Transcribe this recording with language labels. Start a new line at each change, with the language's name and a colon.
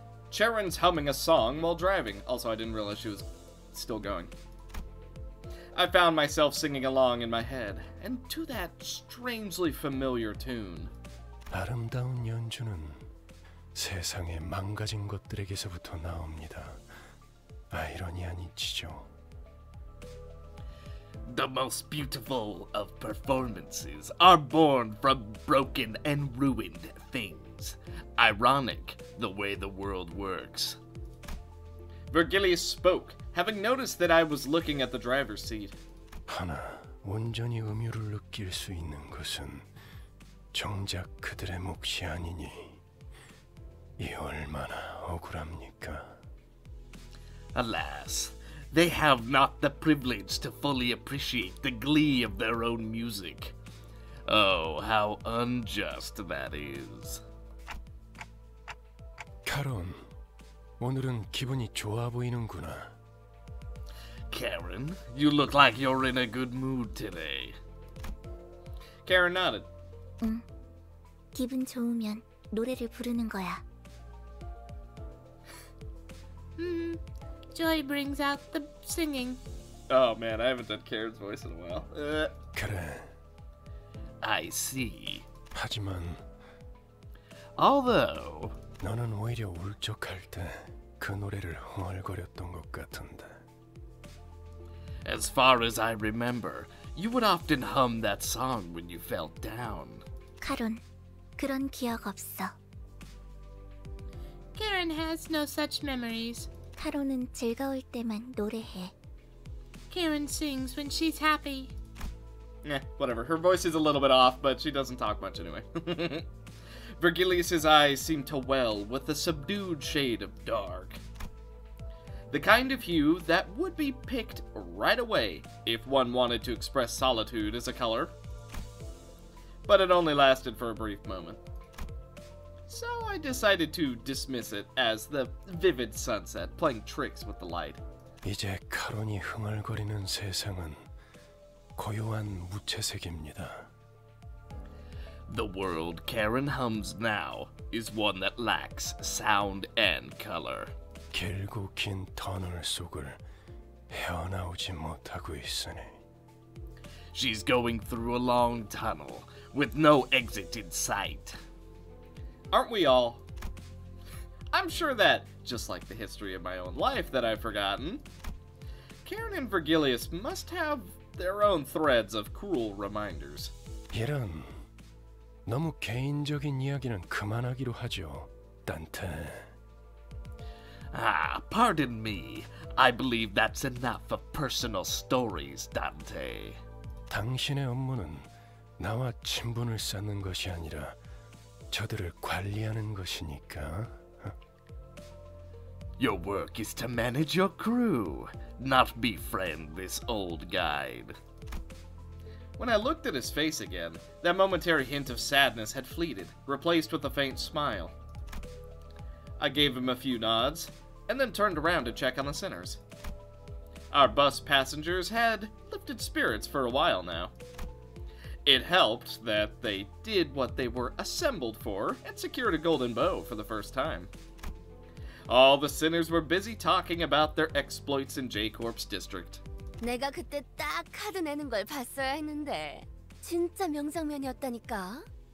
English: Charon's humming a song while driving. Also, I didn't realize she was still going. I found myself singing along in my head, and to that strangely familiar tune.
Korean: 아름다운 연주는 세상의 망가진 것들에게서부터 나옵니다. 아이러니 아니지죠?
English: The most beautiful of performances are born from broken and ruined things. Ironic, the way the world works. Vergilius spoke, having noticed that I was looking at the driver's seat.
Korean: 하나, 온전히 음유를 느낄 수 있는 것은 정작 그들의 몫이 아니니 이 얼마나 억울합니까?
English: Alas, they have not the privilege to fully appreciate the glee of their own music. Oh, how unjust that is.
Korean: 카론, 오늘은 기분이 좋아 보이는구나.
English: Karen, you look like you're in a good mood today. Karen nodded.
Korean: 응. 기분 좋으면 노래를 부르는 거야.
English: Joy brings out the singing. Oh man, I haven't done Karen's voice in a while.
Korean: 그래.
English: I see.
Korean: 하지만
English: although
Korean: 너는 오히려 울적할 때 그 노래를 흥얼거렸던 것 같은데.
English: As far as I remember, you would often hum that song when you felt down.
Korean: Karon, 그런 기억 없어.
English: Karen has no such memories.
Korean: Karon은 즐거울 때만 노래해.
English: Karen sings when she's happy. Eh, whatever. Her voice is a little bit off, but she doesn't talk much anyway. Vergilius's eyes seem to well with a subdued shade of dark. The kind of hue that would be picked right away if one wanted to express solitude as a color. But it only lasted for a brief moment. So I decided to dismiss it as the vivid sunset playing tricks with the light.
Korean: 이제 카론이 흥얼거리는 세상은 고요한 무채색입니다.
English: The world Karen hums now is one that lacks sound and color.
Korean: 길고 긴 터널 속을 헤어나오지 못하고 있으니.
English: She's going through a long tunnel with no exit in sight. Aren't we all? I'm sure that, just like the history of my own life that I've forgotten, Karen and Virgilius must have their own threads of cruel reminders.
Korean: 이런 너무 개인적인 이야기는 그만하기로 하죠, 단테.
English: Ah, pardon me. I believe that's enough of personal stories, Dante.
Korean: 당신의 업무는 나와 친분을 쌓는 것이 아니라 저들을 관리하는 것이니까.
English: Your work is to manage your crew, not befriend this old guide. When I looked at his face again, that momentary hint of sadness had fleeted, replaced with a faint smile. I gave him a few nods, and then turned around to check on the sinners. Our bus passengers had lifted spirits for a while now. It helped that they did what they were assembled for and secured a golden bow for the first time. All the sinners were busy talking about their exploits in J-Corp's district.
Korean: 내가 그때 딱 카드 내는 걸 봤어야 했는데 진짜 명장면이었다니까.